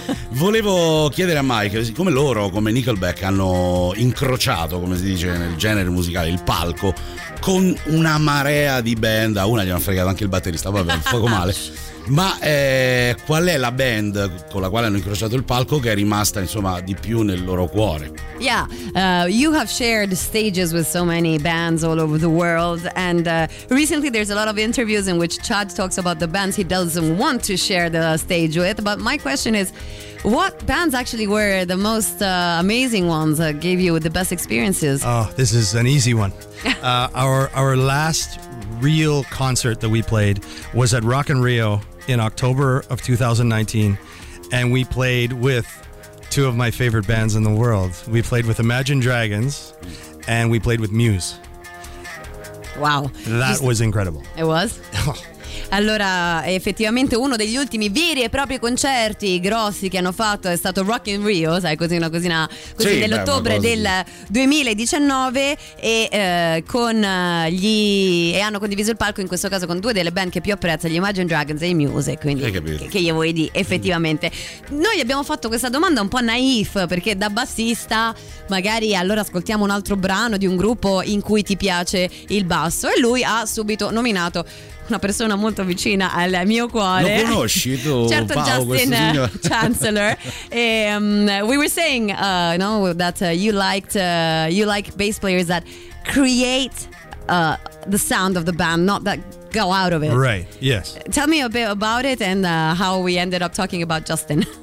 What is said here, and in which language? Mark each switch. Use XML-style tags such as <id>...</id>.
<it>Volevo chiedere a Mike, siccome loro, come Nickelback, hanno incrociato, come si dice nel genere musicale, il palco con una marea di band, a una gli hanno fregato anche il batterista, vabbè, un poco male, ma qual è la band con la quale hanno incrociato il palco che è rimasta, insomma, di più nel loro cuore?</it> <en>Yeah, you have shared stages with so many bands all over the world, and recently there's a lot of interviews in which Chad talks about the bands he doesn't want to share the stage with, but my question is, what bands actually were the most amazing ones that gave you the best experiences? Oh, this is an easy one. our last real concert that we played was at Rock in Rio in October of 2019, and we played with two of my favorite bands in the world. We played with Imagine Dragons, and we played with Muse. Wow. That was incredible. It was?</en> <it>Allora, effettivamente uno degli ultimi veri e propri concerti grossi che hanno fatto è stato Rock in Rio, sai, così una cosina così, sì, dell'ottobre del 2019, e con gli e hanno condiviso il palco in questo caso con due delle band che più apprezzo, gli Imagine Dragons e i Muse, quindi che gli vuoi dire, effettivamente. Noi abbiamo fatto questa domanda un po' naif, perché da bassista magari allora ascoltiamo un altro brano di un gruppo in cui ti piace il basso, e lui ha subito nominato una persona molto vicina al mio cuore. Lo conosci tu? Certo, wow, Justin Chancellor.</it> <en>We were saying, that you like bass players that create the sound of the band, not that go out of it. Right. Yes. Tell me a bit about it and how we ended up talking about Justin.</en>